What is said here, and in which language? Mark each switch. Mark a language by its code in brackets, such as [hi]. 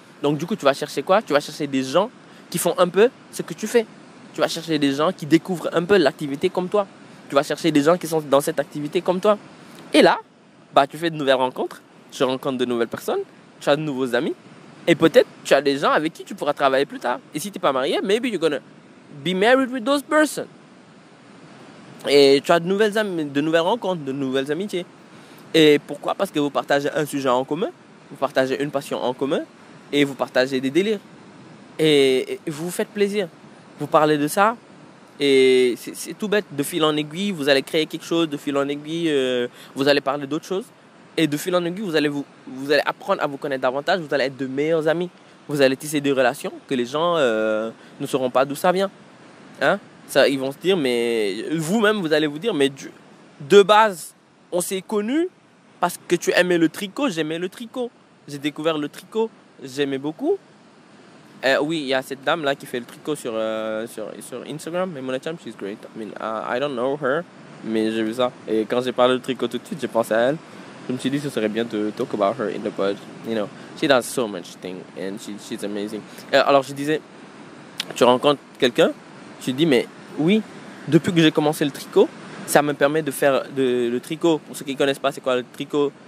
[fr] Donc du coup, tu vas chercher quoi? Tu vas chercher des gens qui font un peu ce que tu fais. Tu vas chercher des gens qui découvrent un peu l'activité comme toi. Tu vas chercher des gens qui sont dans cette activité comme toi. Et là, bah, tu fais de nouvelles rencontres, tu rencontres de nouvelles personnes, tu as de nouveaux amis. Et peut-être, tu as des gens avec qui tu pourras travailler plus tard. Et si tu n'es pas marié, [en] maybe you're gonna be married with those persons. [fr] Et tu as de nouvelles rencontres, de nouvelles amitiés. Et pourquoi? Parce que vous partagez un sujet en commun, vous partagez une passion en commun, et vous partagez des délires. Et vous vous faites plaisir. Vous parlez de ça. Et c'est tout bête. De fil en aiguille, vous allez créer quelque chose. De fil en aiguille, vous allez parler d'autres choses. Et de fil en aiguille, vous allez apprendre à vous connaître davantage. Vous allez être de meilleurs amis. Vous allez tisser des relations que les gens ne sauront pas d'où ça vient. Hein? Ça, ils vont se dire, mais vous-même, vous allez vous dire, mais de base, on s'est connus parce que tu aimais le tricot. J'aimais le tricot. J'ai découvert le tricot. J'aimais beaucoup. Oui, il y a cette dame là qui fait le tricot sur Instagram. Mais Mona Cham, [en] she's great. I mean, I don't know her, [fr] mais j'ai vu ça. Et quand j'ai parlé de tricot tout de suite, j'ai pensé à elle. Je me suis dit, ce serait bien de [en] talk about her in the pod. You know, she does so much thing and she's amazing. [fr] Alors je disais, tu rencontres quelqu'un, tu dis, mais oui, depuis que j'ai commencé le tricot, ça me permet de faire le tricot. Pour ceux qui ne connaissent pas, c'est quoi le tricot?